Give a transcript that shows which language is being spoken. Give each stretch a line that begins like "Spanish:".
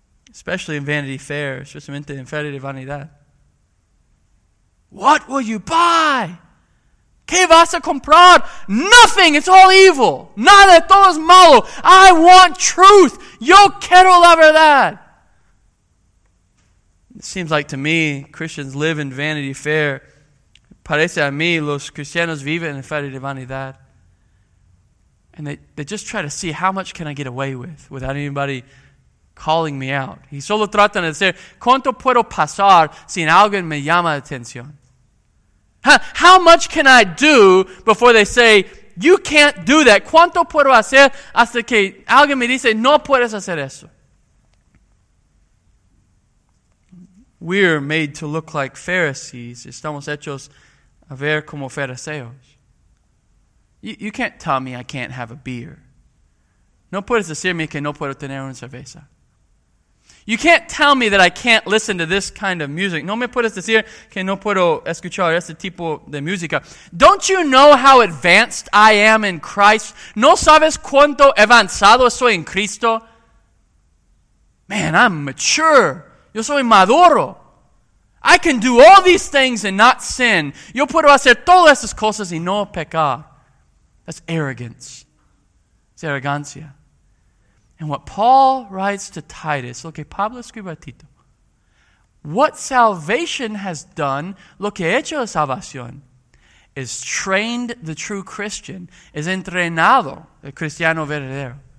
English: Especially in Vanity Fair, especially in Feria de Vanidad. What will you buy?
Spanish: ¿Qué vas a comprar?
English: Nothing. It's all evil.
Spanish: Nada. Todo es malo.
English: I want truth.
Spanish: Yo quiero la verdad.
English: It seems like to me, Christians live in Vanity Fair.
Spanish: Parece a mí, los cristianos viven en Feria de Vanidad.
English: And they just try to see how much can I get away with without anybody calling me out.
Spanish: Y solo tratan de decir, ¿cuánto puedo pasar sin alguien me llama la atención?
English: How much can I do before they say, you can't do that?
Spanish: ¿Cuánto puedo hacer hasta que alguien me dice, no puedes hacer eso?
English: We're made to look like Pharisees.
Spanish: Estamos hechos a ver como fariseos.
English: You can't tell me I can't have a beer.
Spanish: No puedes decirme que no puedo tener una cerveza.
English: You can't tell me that I can't listen to this kind of music.
Spanish: No me puedes decir que no puedo escuchar este tipo de música.
English: Don't you know how advanced I am in Christ?
Spanish: No sabes cuánto avanzado soy en Cristo?
English: Man, I'm mature.
Spanish: Yo soy maduro.
English: I can do all these things and not sin.
Spanish: Yo puedo hacer todas estas cosas y no pecar.
English: That's arrogance. It's arrogancia. And what Paul writes to Titus,
Spanish: lo que Pablo escribe a Tito,
English: what salvation has done,
Spanish: lo que ha hecho la salvación,
English: is trained the true Christian,
Spanish: is entrenado el cristiano verdadero,